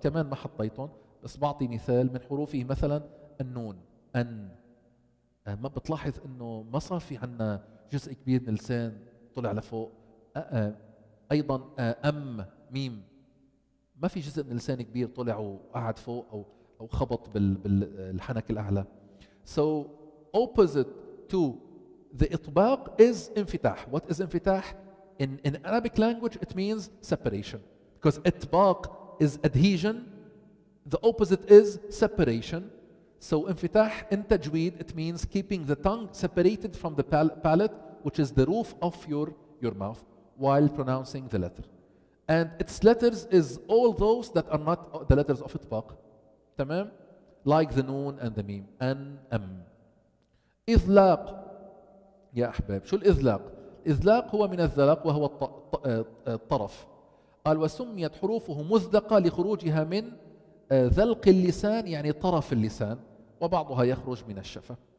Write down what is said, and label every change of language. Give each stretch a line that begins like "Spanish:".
Arabic: كمان ما حطيتهم، بس بعطي مثال من حروفه. مثلا النون. أن. ما بتلاحظ انه ما صار في عندنا جزء كبير من اللسان طلع لفوق. ايضا ام ميم، ما في جزء من اللسان كبير طلع وقعد فوق او خبط بالحنك الاعلى.
English: So opposite to the اطباق is انفتاح. What is انفتاح in Arabic language? It means separation, because اطباق is adhesion, the opposite is separation. So انفتاح in تجويد it means keeping the tongue separated from the palate, which is the roof of your mouth, while pronouncing the letter. And its letters is all those that are not the letters of اطباق. تمام؟ Like the noon and the meme.
Arabic: An, am. إذلاق. يا أحباب شو الإذلاق؟ إذلاق هو من الذلق وهو الطرف. قال وسميت حروفه مذلقة لخروجها من ذلق اللسان، يعني طرف اللسان، وبعضها يخرج من الشفة.